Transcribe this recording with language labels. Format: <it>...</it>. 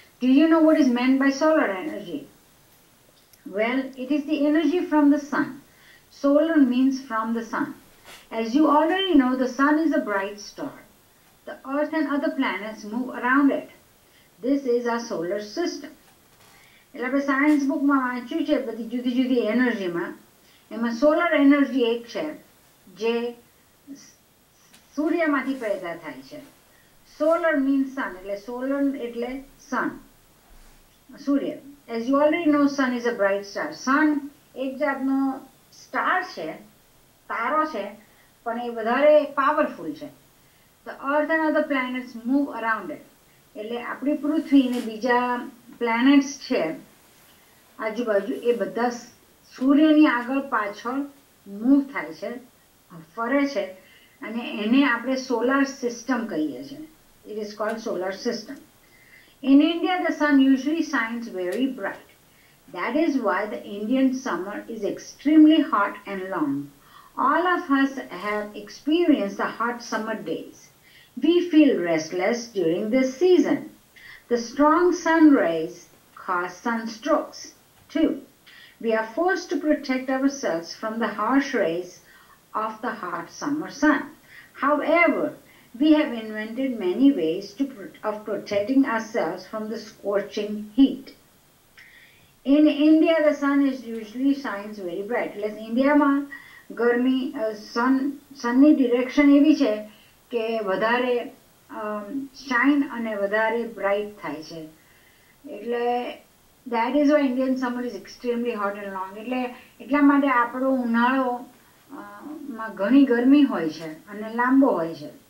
<en>Do you know what is meant by solar energy? Well, it is the energy from the sun. Solar means from the sun. As you already know, the sun is a bright star. The earth and other planets move around it. This is our solar system.</en> <gu>એટલે આપણે science બુકમાં વાંચ્યું છે બધી જુદી જુદી એનર્જીમાં એમાં solar energy એક છે જે સૂર્યમાંથી પેદા થાય છે.</gu> <en>solar means sun,</en> <gu>એટલે સોલર એટલે સન, સૂર્ય.</gu> <en>As you already know sun is a bright star.</en> <gu>સન એક જાતનો સ્ટાર છે, તારો છે, પણ એ વધારે પાવરફુલ છે.</gu> <en>the earth and other planets move around it,</en> <gu>એટલે આપણી પૃથ્વી અને બીજા પ્લેનેટ્સ છે આજુબાજુ એ બધા સૂર્યની આગળ પાછળ મૂવ થાય છે, ફરે છે, અને એને આપણે સોલાર સિસ્ટમ કહીએ છીએ.</gu> <en>It is called solar system. In India the sun usually shines very bright. That is why the Indian summer is extremely hot and long. All of us have experience the hot summer days. We feel restless during this season. The strong sun rays cause sunstrokes too. We are forced to protect ourselves from the harsh rays of the hot summer sun. However, we have invented many ways of protecting ourselves from the scorching heat. In India, the sun is usually shines very bright.</en> <gu>In India, ma garmi sunny direction evi che કે વધારે shine અને વધારે bright થાય છે. એટલે</gu> <en>That is why Indian summer is extremely hot and long.</en> <gu>એટલે એટલા માટે આપણો ઉનાળોમાં ઘણી ગરમી હોય છે અને લાંબો હોય છે.</gu>